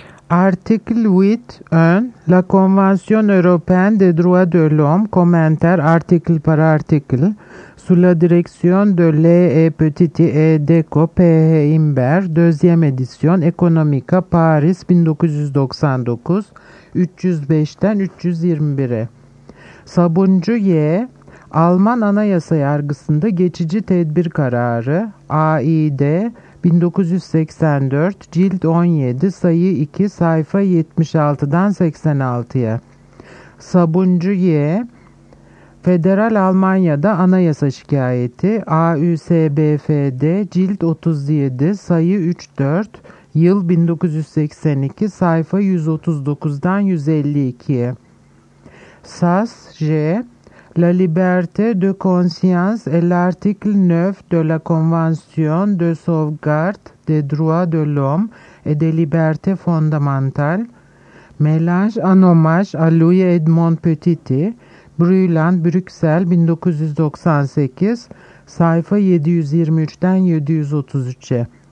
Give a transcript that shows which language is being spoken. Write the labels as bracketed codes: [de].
[fr] Article 8.1, la Convention européenne des droits de l'homme, commentaire article par article, sous la direction de L.E.P.H.I.M.B.E.R., deuxième édition, Economica, Paris 1999, [tr] 305'ten 321'e. Sabuncu Y., Alman Anayasa Yargısı'nda geçici tedbir kararı, AİD, 1984, cilt 17, sayı 2, sayfa 76'dan 86'ya. Sabuncu Y., Federal Almanya'da Anayasa Şikayeti, AÜSBFD, cilt 37, sayı 3-4, yıl 1982, sayfa 139'dan 152'ye. [fr] Sas J., La liberté de conscience est l'article 9 de la Convention de sauvegarde des droits de l'homme et des libertés fondamentales. Mélange en hommage à Louis-Edmond Petitet, Brüland, Bruxelles 1998, [tr] sayfa 723'den 733'e.